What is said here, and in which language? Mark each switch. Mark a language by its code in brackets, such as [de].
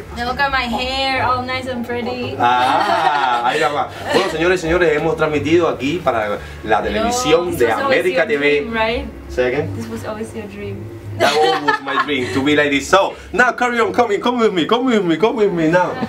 [en] Now look at my hair, all nice and pretty. [es] Ah, ahí va. Bueno, señores, señores, hemos transmitido aquí para la televisión de América TV. [en] Dream, right? Say again. This was always your dream. That was my dream to be like this. So now, carry on, come with me now.